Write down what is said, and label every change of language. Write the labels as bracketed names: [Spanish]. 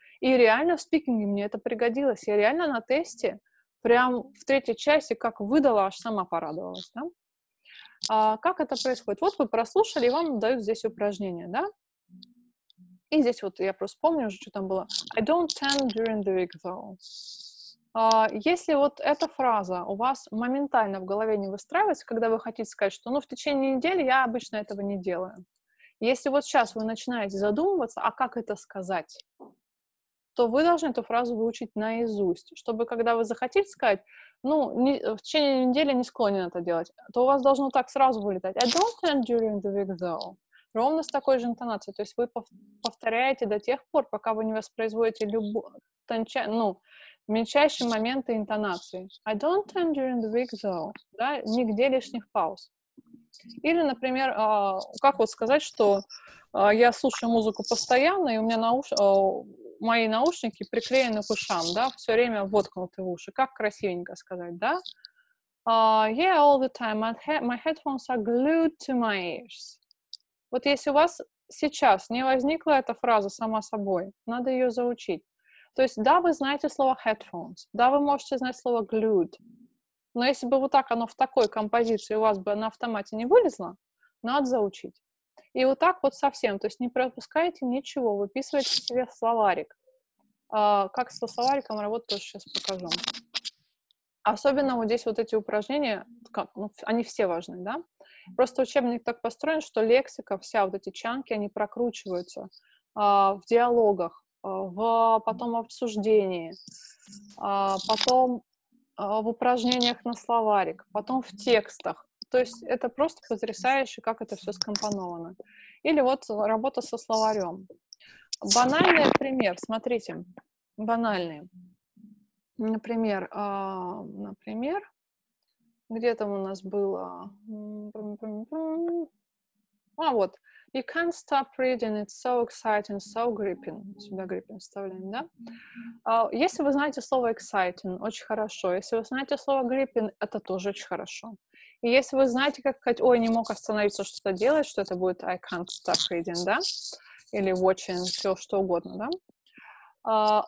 [Russian] И реально в спикинге мне это пригодилось. Я реально на тесте прям в третьей части как выдала, аж сама порадовалась, да. А как это происходит? Вот вы прослушали, и вам дают здесь упражнение, да. И здесь вот я просто помню уже, что там было. [English] I don't tend during the week, though. [Russian] Если вот эта фраза у вас моментально в голове не выстраивается, когда вы хотите сказать, что, ну, в течение недели я обычно этого не делаю. Если вот сейчас вы начинаете задумываться, а как это сказать, то вы должны эту фразу выучить наизусть, чтобы когда вы захотите сказать, ну, не, в течение недели не склонен это делать, то у вас должно так сразу вылетать. [English] I don't tend during the week, though. [Russian] Ровно с такой же интонацией. То есть вы повторяете до тех пор, пока вы не воспроизводите любую тончайшую, ну, мельчайшие моменты интонации. [English] I don't tend during the week, though. [Russian] Да? Нигде лишних пауз. Или, например, как вот сказать, что я слушаю музыку постоянно, и у меня мои наушники приклеены к ушам, да, все время воткнуты в уши. Как красивенько сказать, да? [English] Yeah, all the time. My headphones are glued to my ears. [Russian] Вот если у вас сейчас не возникла эта фраза сама собой, надо ее заучить. То есть, да, вы знаете слово headphones, да, вы можете знать слово glued, но если бы вот так оно в такой композиции у вас бы на автомате не вылезло, надо заучить. И вот так вот совсем, то есть не пропускайте ничего, выписывайте себе словарик. Как со словариком работать, тоже сейчас покажу. Особенно вот здесь вот эти упражнения, они все важны, да? Просто учебник так построен, что лексика, вся вот эти чанки, они прокручиваются в диалогах, потом обсуждении, потом в упражнениях на словарик, потом в текстах. То есть это просто потрясающе, как это все скомпоновано. Или вот работа со словарем. Банальный пример. Смотрите. Банальный. Например, например, где там у нас было... А, вот. [English] You can't stop reading, it's so exciting, so gripping. [Russian] Сюда gripping вставляем, да? Если вы знаете слово exciting, очень хорошо. Если вы знаете слово gripping, это тоже очень хорошо. И если вы знаете, как сказать, ой, не мог остановиться что-то делать, что это будет [English] I can't stop reading, [Russian] да? Или watching, все что угодно, да?